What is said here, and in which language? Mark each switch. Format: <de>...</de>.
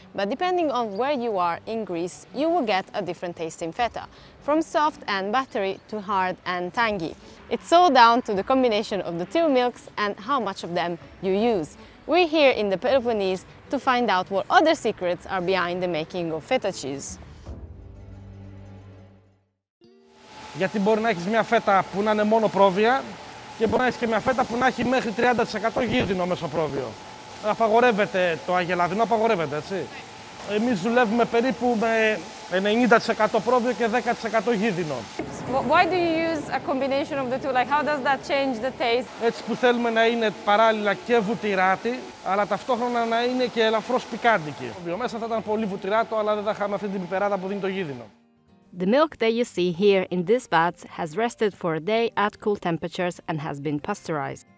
<en>But depending on where you are in Greece, you will get a different taste in feta, from soft and buttery to hard and tangy. It's all down to the combination of the two milks and how much of them you use. We're here in the Peloponnese to find out what other secrets are behind the making of feta cheese.</en> <el>Γιατί μπορεί να έχεις μια φέτα που να είναι μόνο πρόβια και μπορεί να έχεις και μια φέτα που να έχει μέχρι 30% γύρινο μέσω πρόβιο. Απαγορεύεται το αγελαδινό, απαγορεύεται, έτσι. Εμείς δουλεύουμε περίπου με 90% πρόβιο και 10% γύρινο.</el> <en>Why do you use a combination of the two? Like, how does that change the taste?</en> <el>Έτσι που θέλουμε να είναι παράλληλα και βουτυράτη, αλλά ταυτόχρονα να είναι και ελαφρώς πικάντικη. Μέσα θα ήταν πολύ βουτυράτο, αλλά δεν θα είχαμε αυτή την πιπεράδα που δίνει το γύρινο.</el> <en>The milk that you see here in these vats has rested for a day at cool temperatures and has been pasteurized.</en>